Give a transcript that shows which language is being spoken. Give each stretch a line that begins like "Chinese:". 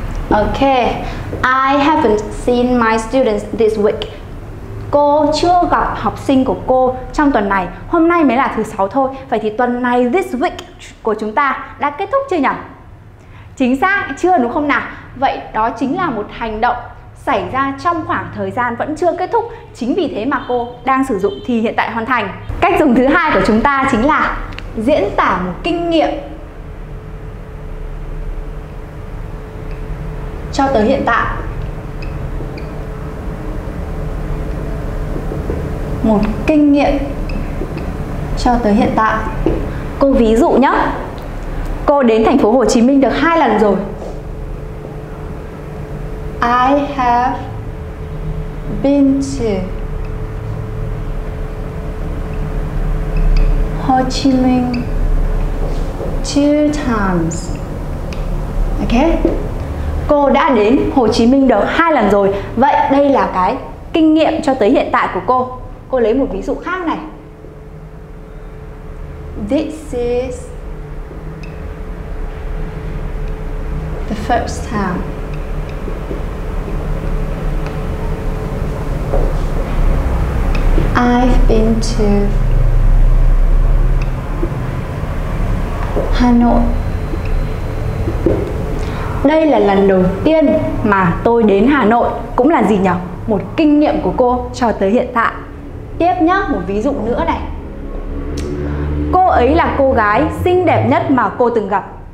English: Okay, I haven't seen my students this week.
Vietnamese: Cô chưa gặp học sinh của cô trong tuần này. Hôm nay mới là thứ 6 thôi. Vậy thì tuần này,
English: this week
Vietnamese: của chúng ta đã kết thúc chưa nhỉ? Chính xác, chưa đúng không nào? Vậy đó chính là một hành động xảy ra trong khoảng thời gian vẫn chưa kết thúc. Chính vì thế mà cô đang sử dụng thì hiện tại hoàn thành. Cách dùng thứ hai của chúng ta chính là diễn tả một kinh nghiệm cho tới hiện tại. Một kinh nghiệm cho tới hiện tại. Cô ví dụ nhé. Cô đến thành phố Hồ Chí Minh được 2 lần rồi.
English: I have been to Ho Chi Minh 2 times. Okay.
Vietnamese: Cô đã đến Hồ Chí Minh được 2 lần rồi. Vậy đây là cái kinh nghiệm cho tới hiện tại của cô. Cô lấy một ví dụ khác này.
English: This is the first time I've been to Hà Nội.
Vietnamese: Đây là lần đầu tiên mà tôi đến Hà Nội. Cũng là gì nhỉ? Một kinh nghiệm của cô cho tới hiện tại. Tiếp nhá, một ví dụ nữa này. Cô ấy là cô gái xinh đẹp nhất mà cô từng gặp.